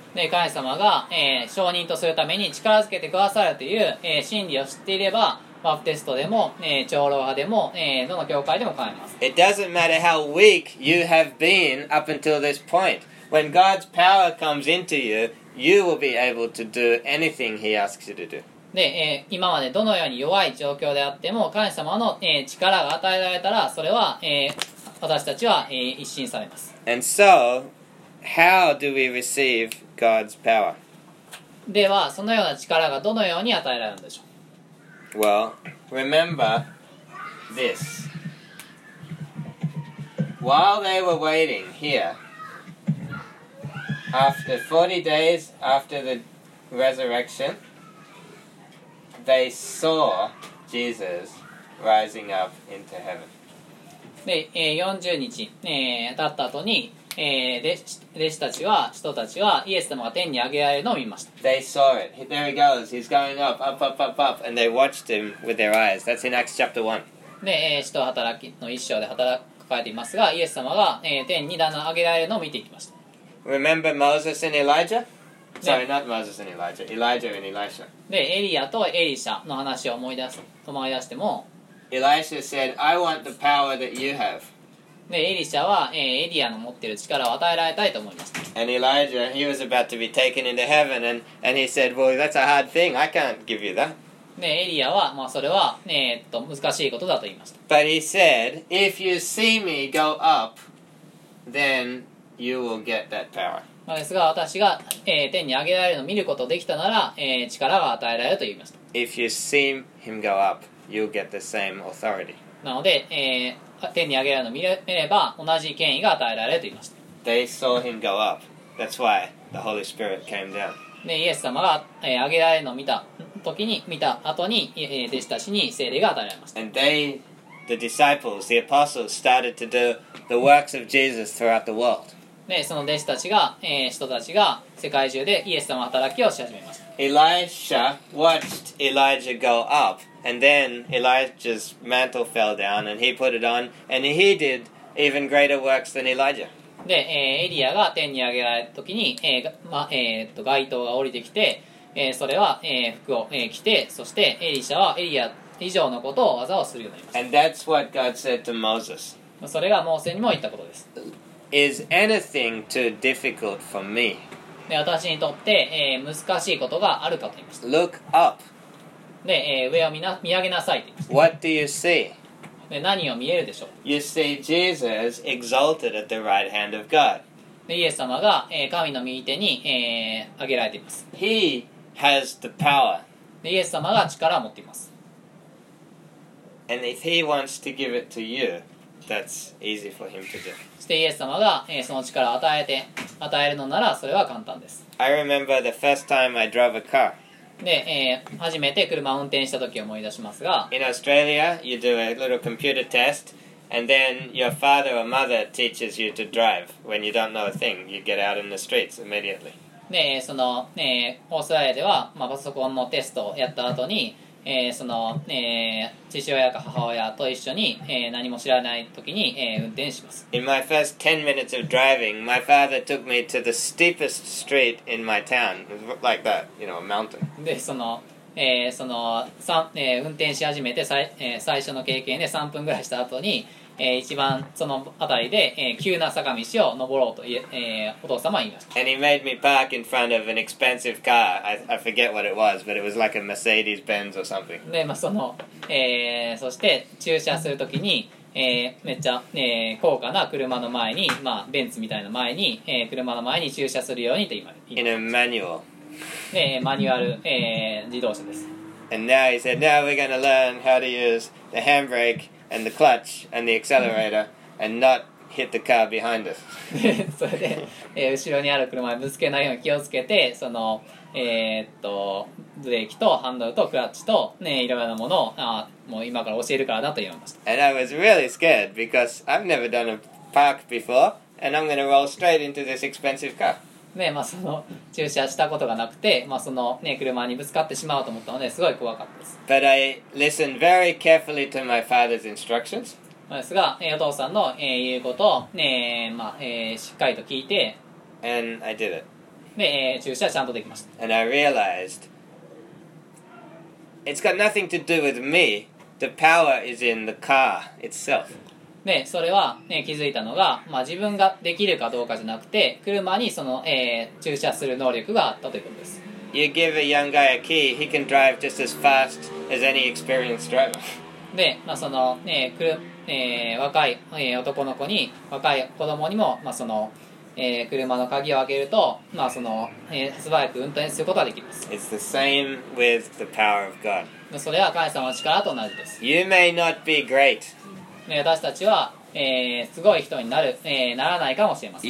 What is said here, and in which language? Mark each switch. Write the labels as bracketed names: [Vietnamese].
[Japanese] で、神様が、証人とするために力づけてくださるという、真理を知っていればバプテストでも、長老派でも、どの教会でも構いません。 [English] It doesn't matter how weak you have been up until this point. When God's power comes into you, you will be able to do anything He asks you to do. [Japanese] で、今までどのように弱い状況であっても神様の、力が与えられたらそれは、私たちは、一新されます。 [English] And so, how do we receive God's power? [Japanese] では、そのような力がどのように与えられるんでしょう? [English] Well, remember this. While they were waiting here, after 40 days after the resurrection, they saw Jesus rising up into heaven. [Japanese] で40日、経った後に、弟子たちは、人たちはイエス様が天に上げられるのを見ました。 [English] They saw it. There he goes. He's going up, up, up, up, up. And they watched him with their eyes. That's in Acts chapter 1. [Japanese] で、使徒働きの一章で書かれていますが、イエス様が、天にだんだん上げられるのを見ていきました。 [English] Remember Moses and Elijah? Sorry, not Moses and Elijah. Elijah and Elisha. [Japanese] で、エリアとエリシャの話を思い出しても、 [English] Elisha said, I want the power that you have. [Japanese] で、エリシャは、エリアの持っている力を与えられたいと思いました。 [English] And Elijah, he was about to be taken into heaven, and he said, well, that's a hard thing. I can't give you that. [Japanese] で、エリアは、まあ、それは、難しいことだと言いました。 [English] But he said, if you see me go up, then you will get that power. [Japanese] まあ、ですが、私が、天に上げられるのを見ることができたなら、力が与えられると言いました。 [English] If you see him go up,You'll get the same authority. [Japanese] なので、天に上げられるのを見れば同じ権威が与えられると言いました。 [English] They saw him go up. That's why the Holy Spirit came down. [Japanese] で、イエス様が、上げられるのを見た後に、弟子たちに聖霊が与えられました。 [English] And they, the disciples, the apostles, started to do the works of Jesus throughout the world. [Japanese] で、その弟子たちが、人たちが世界中でイエス様の働きをし始めました。 [English] Elisha watched Elijah go up. And then Elijah's mantle fell down, and he put it on, and he did even greater works than Elijah. [Japanese] で、エリアが天に上げられた時に、街灯が降りてきて、それは、服を、着て、そしてエリシャはエリア以上のことを技をするようになります。 [English] And that's what God said to Moses. [Japanese] それがモーセにも言ったことです。 [English] Is anything too difficult for me? [Japanese] で、私にとって、難しいことがあるかと言いました。 [English] Look up. [Japanese] で、上を見上げなさいって言いました。 [English] What do you see? [Japanese] で、何を見えるでしょう? [English] You see Jesus exalted at the right hand of God. [Japanese] で、イエス様が、神の右手に、挙げられています。 [English] He has the power. [Japanese] で、イエス様が力を持っています。 [English] And if he wants to give it to you, that's easy for him to do. [Japanese] そして、イエス様が、その力を与えるのなら、それは簡単です。 [English] I remember the first time I drove a car. [Japanese] で、初めて車を運転した時を思い出しますが、 [English] In Australia, you do a little computer test, and then your father or mother teaches you to drive. When you don't know a thing, you get out in the streets immediately. [Japanese] で、その、オーストラリアでは、まあ、パソコンのテストをやった後に、その、父親か母親と一緒に、何も知らない時に、運転します。 [English] In my first 10 minutes of driving, my father took me to the steepest street in my town. Like that, you know, a mountain. [Japanese] で、運転し始めて最初の経験で3分ぐらいした後に、一番その辺りで、急な坂道を登ろうと、お父様は言いました。 [English] And he made me park in front of an expensive car. I forget what it was, but it was like a Mercedes-Benz or something. [Japanese] で、まあ、その、そして駐車するときに、めっちゃ、高価な車の前に、まあ、ベンツみたいな前に、車の前に駐車するようにと言いました。 [English] In a manual. [Japanese] で、マニュアル、自動車です。 [English] And now he said, now we're going to learn how to use the handbrake. And the clutch and the accelerator, and not hit the car behind us. [Japanese] それで、後ろにある車にぶつけないように気をつけて、その、ブレーキとハンドルとクラッチと、ね、いろいろなものを、もう今から教えるからだと言いました。 [English] And I was really scared because I've never done a park before, and I'm going to roll straight into this expensive car. [Japanese] ね、まあ、その駐車したことがなくて、まあ、その、ね、車にぶつかってしまうと思ったのですごい怖かったです。 [English] But I listened very carefully to my father's instructions. [Japanese] ですが、お父さんの、言うことを、ね、まあ、しっかりと聞いて、 [English] And I did it. [Japanese] で、駐車ちゃんとできました。 [English] And I realized, it's got nothing to do with me. The power is in the car itself. [Japanese] でそれは、ね、気づいたのが、まあ、自分ができるかどうかじゃなくて車にその、駐車する能力があったということです。 [English] You give a young guy a key, he can drive just as fast as any experienced driver. [Japanese] で、まあ、その、ね、若い、男の子に、若い子供にも、まあ、その、車の鍵を開けると、まあ、その、素早く運転することができます。 [English] It's the same with the power of God. [Japanese] それは神様の力と同じです。 [English] You may not be great. [Japanese] 私たちは、すごい人になる、ならないかもしれません。